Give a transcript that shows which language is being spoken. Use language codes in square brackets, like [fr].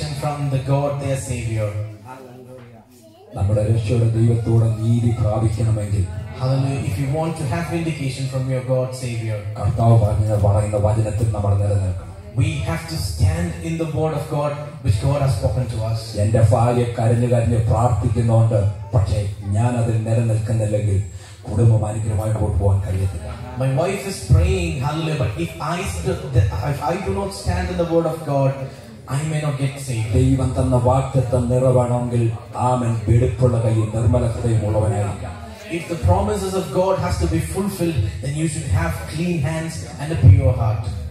[ml] അവൻ തന്റെ രക്ഷയുടെ ദൈവത്തോട് നീതിയും പ്രാപിക്കും നമ്മുടെ രക്ഷയുടെ ദൈവത്തോടെ നീതി പ്രാപിക്കണമെങ്കിൽ [en] Hallelujah. If you want to have vindication from your God Savior, [ml] കർത്താവ് പറയുന്ന വചനത്തിൽ നമ്മൾ നിലനിൽക്കണം. [en] We have to stand in the word of God which God has spoken to us. [ml] എന്റെ ഭാര്യ കരഞ്ഞു കരഞ്ഞു പ്രാർത്ഥിക്കുന്നുണ്ട് പക്ഷേ ഞാൻ അതിൽ നിലനിൽക്കുന്നില്ലെങ്കിൽ കുടുംബം അനുഗ്രഹമായിട്ട് പോകാൻ കഴിയത്തില്ല. [en] My wife is praying, hallelujah, but if I do not stand in the word of God, I may not get saved. [ml] ദൈവം തന്ന വാക്യത്തെ നിറവേണമെങ്കിൽ ആമൻ വെടിപ്പുള്ള കയ്യും നിർമ്മലതയും ഉള്ളവനായിരിക്കണം. [en] If the promises of God has to be fulfilled, then you should have clean hands and a pure heart.